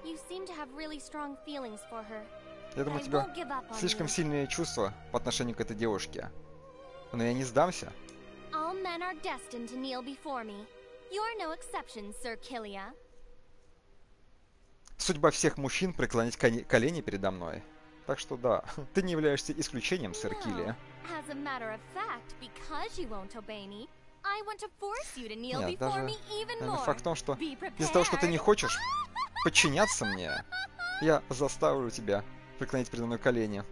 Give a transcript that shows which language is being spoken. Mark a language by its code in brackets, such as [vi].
[ru] Я думаю, у тебя слишком сильные чувства по отношению к этой девушке. Но я не сдамся. [en] All men are destined to kneel before me. You're no exception, Sir Killia. [ru] Судьба всех мужчин преклонить колени передо мной. Так что да, ты не являешься исключением, Сэр Киллия. [en] As a matter of fact, because you won't obey me, I want to force you to kneel before me even more. [ru] Факт в том, что из-за того, что ты не хочешь подчиняться мне, я заставлю тебя преклонить передо мной колени.